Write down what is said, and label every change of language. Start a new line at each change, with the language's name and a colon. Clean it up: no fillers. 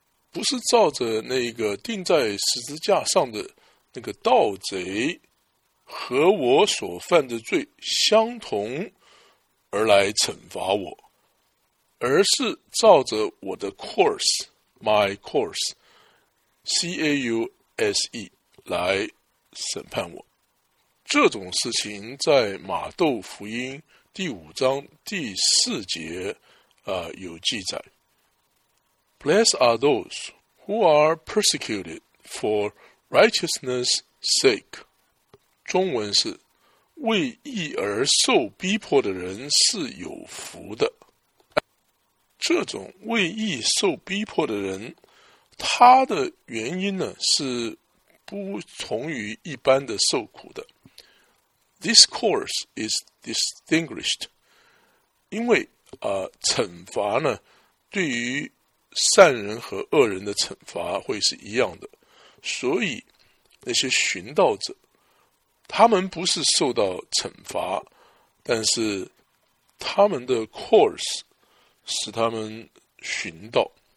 Chinese: 不是照着那个钉在十字架上的那个盗贼和我所犯的罪相同而来惩罚我，而是照着我的
English: course, my course, C-A-U-S-E
Chinese: 来审判我。这种事情在马窦福音第五章第四节、有记载。
English: Blessed are those who are persecuted for righteousness sake.
Chinese: 中文是为义而受逼迫的人是有福的。这种为义受逼迫的人，他的原因呢是不同于一般的受苦的。
English: This course is distinguished.
Chinese: 因为、惩罚呢对于善人和恶人的惩罚会是一样的，所以那些寻道者他们不是受到惩罚，但是他们的 course 使他们寻道。